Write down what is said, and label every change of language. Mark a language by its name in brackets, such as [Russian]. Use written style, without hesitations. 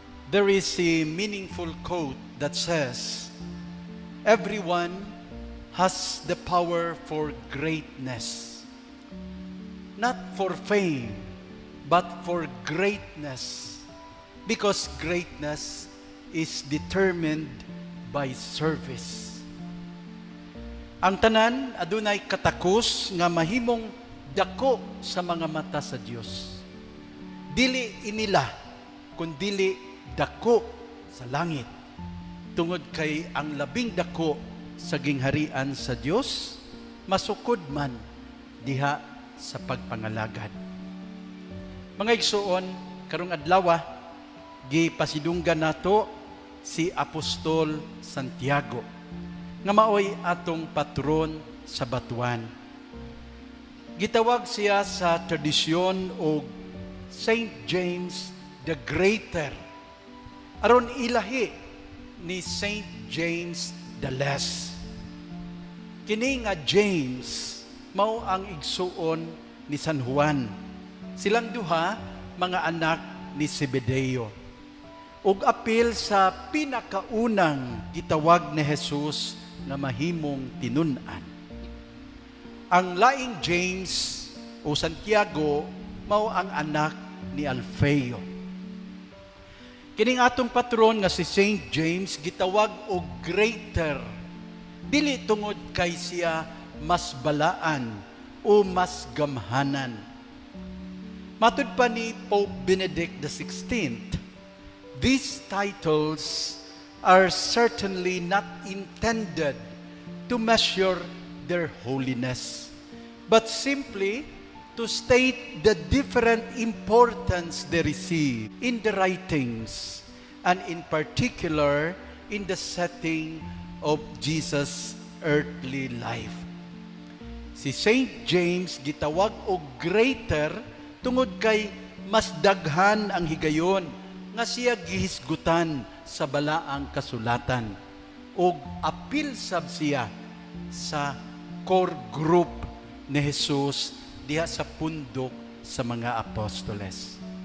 [English] There is a meaningful quote that says, everyone has the power for greatness. Not for fame, but for greatness. Because greatness is determined by service. [Cebuano] Ang tanan, adunay katakus nga mahimong dako sa mga mata sa Dios. Dili inila, kundili dako sa langit. Tungod kay ang labing dako sa gingharian sa Dios, masukod man diha sa pagpangalagad. Mga igsuon, karong adlawa, gipasidunggan nato si Apostol Santiago, nga maoy atong patron sa Batuan. Gitawag siya sa tradisyon og Saint James the Greater. Aron ilahi ni Saint James the Less. Kini nga James mao ang igsuon ni San Juan. Silang duha mga anak ni Zebedeo. Ug apil sa pinakaunang gitawag ni Jesus na mahimong tinun-an. Ang laing James o Santiago mao ang anak ni Alfeo. Kining atong patron nga si Saint James gitawag og greater dili tungod kay siya mas balaan o mas gamhanan. Matud pa ni [English] Pope Benedict the 16th, these titles are certainly not intended to measure their holiness, but simply to state the different importance they receive in the writings and in particular in the setting of Jesus' earthly life. [Cebuano] Si Saint James gitawag og greater tungod kay mas daghan ang higayon nga siya gihisgutan sa balaang kasulatan og apil sab siya sa core group ni Jesus diha sa pundok sa mga apostoles.